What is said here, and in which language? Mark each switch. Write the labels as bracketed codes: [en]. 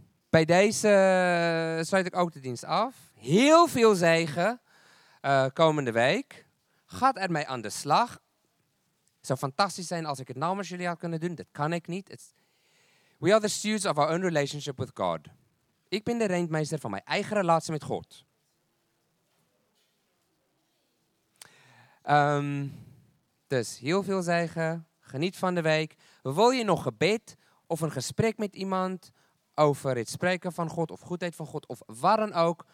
[nl] Bij deze sluit ik ook de dienst af. Heel veel zegen komende week. Gaat ermee aan de slag. Het zou fantastisch zijn als ik het namens jullie had kunnen doen. Dat kan ik niet. [en] We are the stewards of our own relationship with God. [nl] Ik ben de rentmeester van mijn eigen relatie met God. Dus heel veel zeggen. Geniet van de week. Wil je nog gebed of een gesprek met iemand over het spreken van God of goedheid van God of wat dan ook?